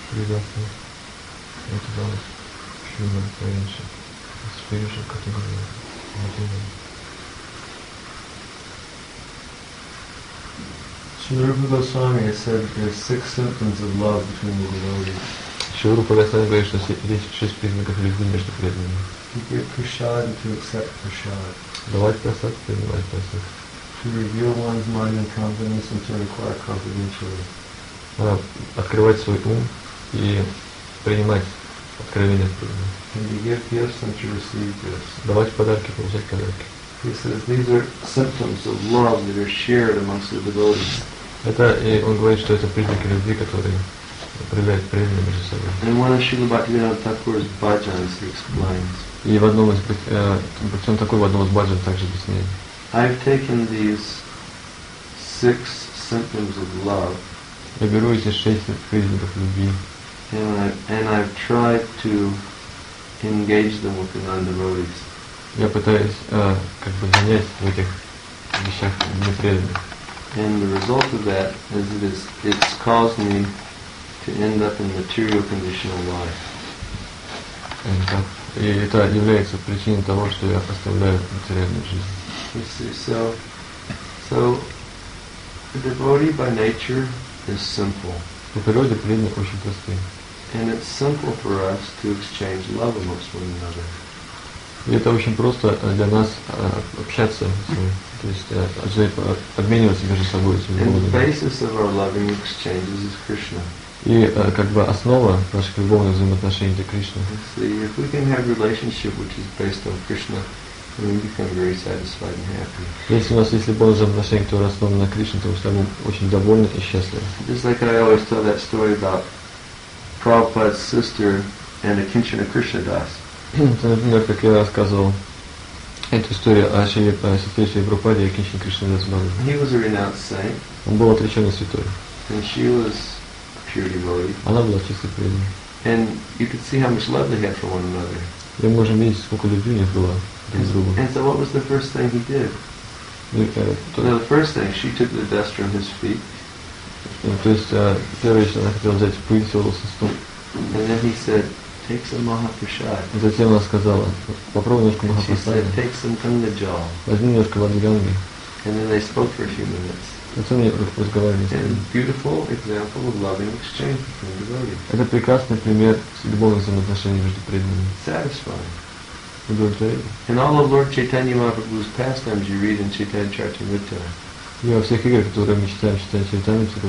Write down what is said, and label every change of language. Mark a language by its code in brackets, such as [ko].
[en] Srila Rupa Goswami has said that there are six symptoms of love between the devotees. [ru] Шри Рупа Госвами говорит, что здесь шесть признаков любви между преданными. [en] To give prasad and to accept prasad. [ru] Давать просад, принимать просад. [en] To reveal one's mind and confidence and to require confidentiality. [ru] Открывать свой ум и принимать откровение от преданного. [en] And to give gifts and to receive gifts. [ru] Давать подарки, получать подарки. [en] He says these are symptoms of love that are shared amongst the devotees. [ru] Это, и он говорит, что это признаки любви, которые определяют преданные между собой. [en] And one of Srila Bhaktivedanta Thakur's bhajans he explains. [ru] И в одном из причем такой в одном из баджан также объясняет. [en] I've taken these six symptoms of love. [ru] Я беру эти шесть признаков любви. [en] And I've tried to engage them with the non-devotees. [ru] Я пытаюсь как бы занять в этих вещах непреданных. [en] And the result of that is it's caused me to end up in material conditional life. [ru] И это является причиной того, что я оставляю материальную жизнь. [en] You see, so a devotee by nature is simple. [ru] По природе преданных очень просты. [en] And it's simple for us to exchange love amongst one another. [ru] И это очень просто для нас общаться, то есть обмениваться между собой этими любовными. [en] And the basis of our loving exchanges is Krishna. [ru] И как бы основа наших любовных взаимоотношений это Кришна. [en] If we can have a relationship which is based on Krishna, we become very satisfied and happy. [ru] Если у нас есть любовные взаимоотношения, которые основаны на Кришне, то мы станем очень довольны и счастливы. [en] Just like I always tell that story about Prabhupada's sister and a Kinchana Krishna Das. [ru] Например, как я рассказывал эту историю о Шиле сестре Шиле Прабхупаде и Кинчане Кришне Дас Бхагаватаре. Он был отреченный святой. [en] And she was a pure devotee. [ru] Она была чистой преданной. [en] And you could see how much love they had for one another. [ru] И мы можем видеть, сколько любви у них было друг с другом. [en] And so what was the first thing he did? Well, the first thing, she took the dust from his feet. [ru] То есть первое, что она хотела взять, пыль с волос со стоп. [en] And then he said, take some Mahaprasad. [ru] Затем она сказала, попробуй немножко Махапрасада. [en] Take some Гангаджал. [ru] Возьми немножко воды Ганги. [en] And then they spoke for a few minutes. [ru] Затем они разговаривали. [en] And beautiful example of loving exchange between devotees. [ru] Это прекрасный пример любовных взаимоотношений между преданными. [en] Satisfying. In all of Lord Chaitanya Mahaprabhu's pastimes you read in Chaitanya Charitamrita. [ru] И во всех играх, которые мы читаем, читаем Чайтанья,